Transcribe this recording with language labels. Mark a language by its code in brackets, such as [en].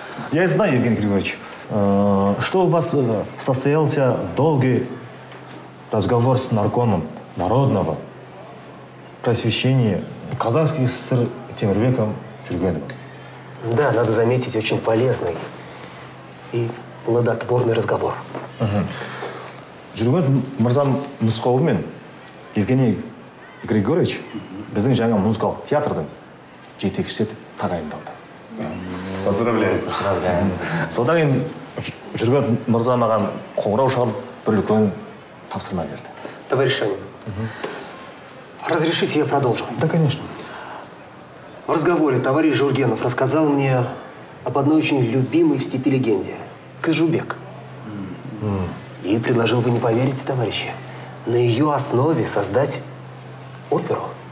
[ru] Я знаю, Евгений Григорьевич, что у вас состоялся долгий разговор с наркомом народного просвещения казахских СССР Темирбеком Жүргеновым. Да, надо заметить, очень полезный и плодотворный разговор. [kk] Жүргенов мырзам нұсқауы мен Евгений Григорьевич біздің жаңа музыкалық театрдың жетекшісі етіп тағайындалды. [ru] Поздравляю. Поздравляю. [kk] Содан кейін Жүргенов мырза маған қоңырау шалып бір үлкен тапсырма берді. [ru] Товарищ Шанин, разрешите я продолжу? Да, конечно. В разговоре товарищ Жүргенов рассказал мне об одной очень любимой в степи легенде – Кызжубек. И предложил, вы не поверите, товарищи, на ее основе создать оперу.